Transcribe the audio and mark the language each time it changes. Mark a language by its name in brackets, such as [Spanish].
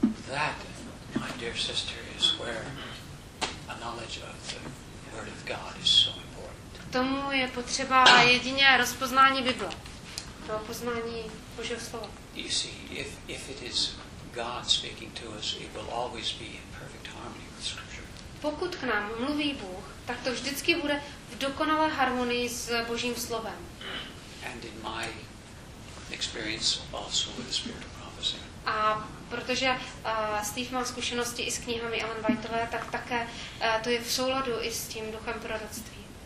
[English] That, my dear sister, is where a knowledge of the Word of God is so important. [Czech] K tomu je potřeba jedině rozpoznání Bible. To poznání Božího slova. [English] You see, if it is God speaking to us, it will always be in perfect harmony with Scripture. [Czech] Pokud k nám mluví Bůh, tak to vždycky bude v dokonalé harmonii s Božím slovem. [English] And in my experience also with the spirit of prophecy. [Czech] A protože Steve má zkušenosti i s knihami Ellen Whiteové, tak také to je v souladu i s tím duchem proroctví.